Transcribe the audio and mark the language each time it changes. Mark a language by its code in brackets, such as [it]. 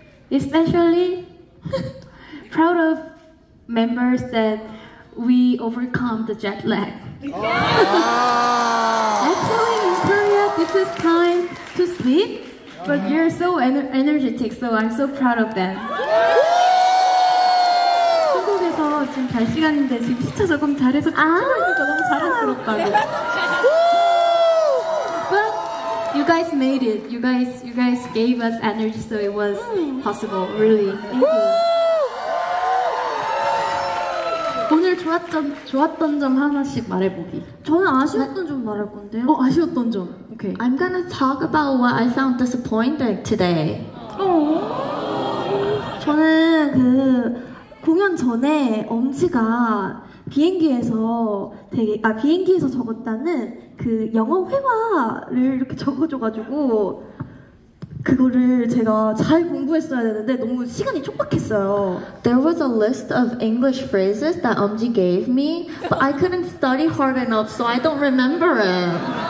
[en] Especially proud of members that we overcome the jet lag. Actually, in Korea, this is time to sleep. But you're so energetic, so I'm so proud of them. [ko] 한국에서 지금 잘 시간인데 지금 시차 조금 잘해서 아저 너무 자랑스럽다고. [en] But you guys made it. You guys gave us energy, so it was possible. Really, thank you. [ko] 오늘 좋았던 점 하나씩 말해보기. 저는 아쉬웠던 점 말할 건데요. 아쉬웠던 점. [en] Okay. I'm gonna talk about what I found disappointing today. [ko] 저는 그 공연 전에 엄지가 비행기에서 적었다는 그 영어 회화를 이렇게 적어줘가지고 그거를 제가 잘 공부했어야 되는데 너무 시간이 촉박했어요. [en] There was a list of English phrases that 엄지 gave me, but I couldn't study hard enough, so I don't remember it.